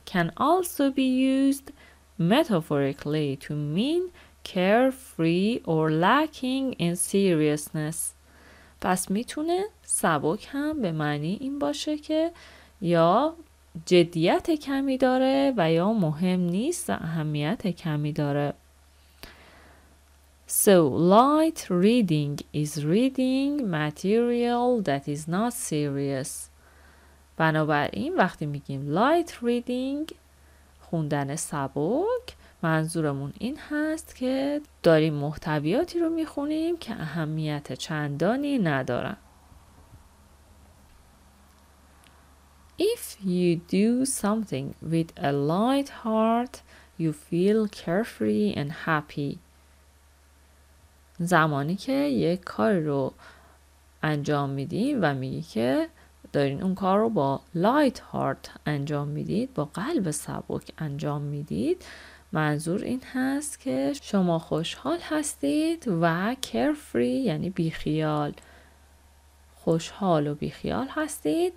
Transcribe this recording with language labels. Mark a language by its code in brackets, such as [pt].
[en] Can also be used metaphorically to mean carefree or lacking in seriousness. [fa] پس میتونه سبک هم به معنی این باشه که یا جدیت کمی داره و یا مهم نیست و اهمیت کمی داره. [en] So light reading is reading material that is not serious. [fa] بنابراین وقتی میگیم light reading خوندن سبک، منظورمون این هست که داریم محتویاتی رو میخونیم که اهمیت چندانی ندارن. [en] If you do something with a light heart, you feel carefree and happy. [fa] زمانی که یک کار رو انجام میدید و میگی که دارین اون کار رو با لایت هارت انجام میدید، با قلب سبک انجام میدید، منظور این هست که شما خوشحال هستید و کرفری یعنی بیخیال، خوشحال و بیخیال هستید.